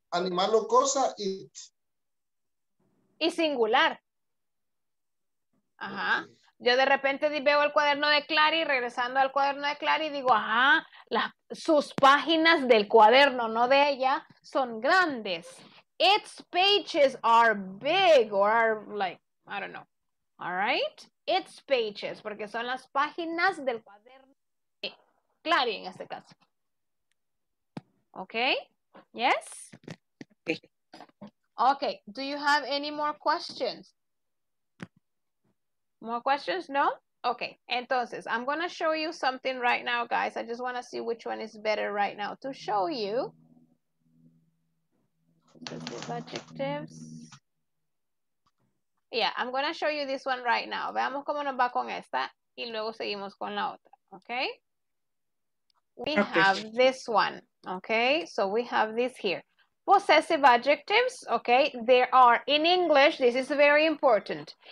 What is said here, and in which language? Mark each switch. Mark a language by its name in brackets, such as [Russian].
[Spanish] Animal o cosa, it. Y singular. Ajá. Yo de repente veo el cuaderno de Clary, regresando al cuaderno de Clary, digo, ajá, sus páginas del cuaderno, no de ella, son grandes. [English] Its pages are big, or are like, I don't know. All right? Its pages, [Spanish] porque son las páginas del cuaderno de Clary en este caso. [English] Okay, yes? Okay, do you have any more questions? More questions, no? Okay, [Spanish] entonces, [English] I'm gonna show you something right now, guys. I just wanna see which one is better right now to show you. Adjectives. Yeah, I'm gonna show you this one right now. [Spanish] Veamos cómo nos va con esta y luego seguimos con la otra, okay? [English] We have this one. Okay, so we have this here. possessive adjectives, okay? There are, in English, this is very important.